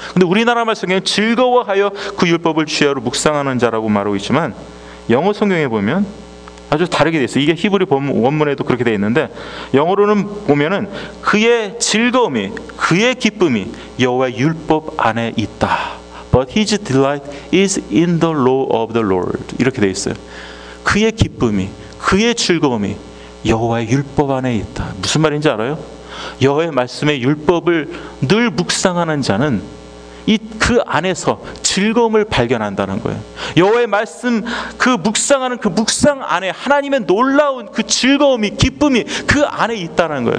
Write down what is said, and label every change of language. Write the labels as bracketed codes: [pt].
[ko] 근데 우리나라 말씀에 즐거워하여 그 율법을 취하로 묵상하는 자라고 말하고 있지만 영어 성경에 보면 아주 다르게 돼 있어요. 이게 히브리 원문에도 그렇게 돼 있는데 영어로는 보면은 그의 즐거움이 그의 기쁨이 여호와의 율법 안에 있다. [en] But his delight is in the law of the Lord. [ko] 이렇게 돼 있어요. 그의 기쁨이 그의 즐거움이 여호와의 율법 안에 있다. 무슨 말인지 알아요? 여호와의 말씀의 율법을 늘 묵상하는 자는 이 그 안에서 즐거움을 발견한다는 거예요. 여호와의 말씀 그 묵상하는 그 묵상 안에 하나님의 놀라운 그 즐거움이 기쁨이 그 안에 있다는 거예요.